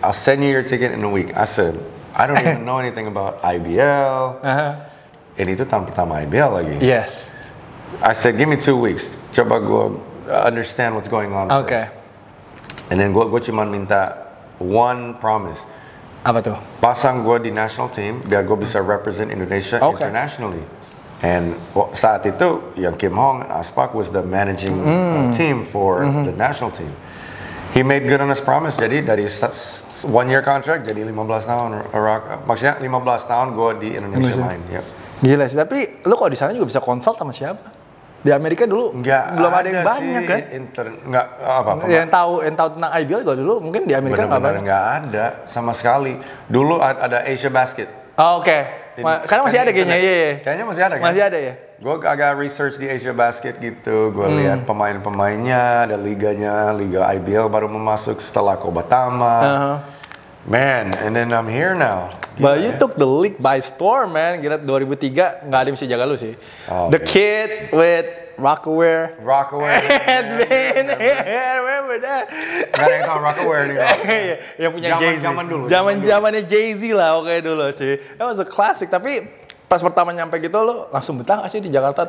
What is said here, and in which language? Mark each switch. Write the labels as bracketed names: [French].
[English] I'll send you your ticket in a week. I said, I don't even know anything about IBL. [Indonesian] And itu tahun pertama IBL lagi. [English] Yes. I said, give me 2 weeks. [Indonesian] Coba gua [English] understand what's going on. Okay. And then [Indonesian] gua cuma minta [English] one promise. [Indonesian] Apa tuh? Pasang gue di national team biar gue bisa [English] represent Indonesia internationally. And [Indonesian] saat itu yang [English] Kim Hong Aspak was the managing team for the national team. He made good on his promise. [Indonesian] Jadi dari 1 year contract jadi 15 tahun Iraq. Maksudnya 15 tahun gue di Indonesia main. Gila sih, tapi lu kalau di sana juga bisa konsult sama siapa? Di Amerika dulu nggak belum ada yang banyak kan? Nggak apa-apa. Yang tahu tentang IBL juga dulu mungkin di Amerika nggak banyak. Nggak ada sama sekali. Dulu ada Asia Basket. Oh, oke. Okay. Karena masih ada kayaknya. Kayaknya masih ada. Masih ada ya. Gue agak research di Asia Basket gitu. Gue lihat pemain-pemainnya, ada liganya, liga IBL baru memasuk setelah Kobatama. [English] Man, and then I'm here now. But you took the league by storm, man. [Indonesian] Gila, 2003 nggak ada yang bisa jaga lu sih. [English] The kid with Rockaware. Rockaware. And man, yeah, remember that? [Indonesian] Gak ada yang tau Rockaware nih. Yang punya Jay-Z. Zaman dulu. Zaman-zamannya Jay-Z lah, okay dulu sih. [English] That was a classic. [Indonesian] Tapi pas pertama nyampe gitu, lu langsung betah nggak sih di Jakarta?